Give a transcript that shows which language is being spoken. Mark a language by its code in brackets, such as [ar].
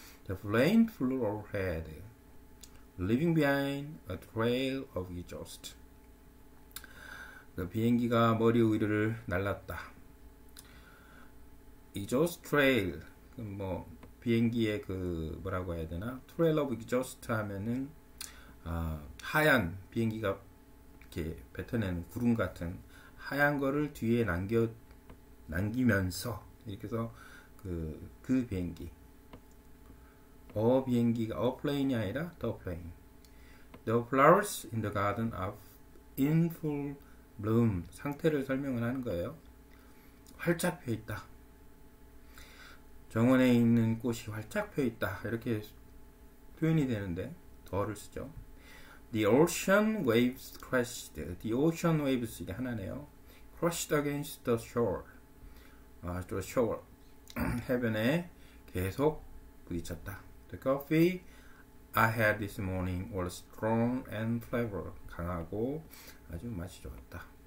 [en] The flame flew overhead, leaving behind a trail of exhaust. [ko] 그 비행기가 머리 위를 날랐다. [en] Exhaust trail, [ko] 뭐 비행기의 그 뭐라고 해야 되나? [en] Trail of exhaust [ko] 하면은 하얀 비행기가 이렇게 뱉어내는 구름 같은 하얀 거를 뒤에 남기면서. 이렇게 해서 그 비행기 어 비행기가 어 플레인이 아니라 더 플레인. [en] The flowers in the garden are in full bloom. [ko] 상태를 설명을 하는 거예요. 활짝 피어 있다. 정원에 있는 꽃이 활짝 펴 있다. 이렇게 표현이 되는데 더를 쓰죠. [en] The ocean waves crashed. The ocean waves [ko] 이게 하나네요. [en] Crashed against the shore. 아, the shore. [ko] 해변에 계속 부딪혔다. [en] The coffee I had this morning was strong and flavor. [ko] 강하고 아주 맛이 좋았다.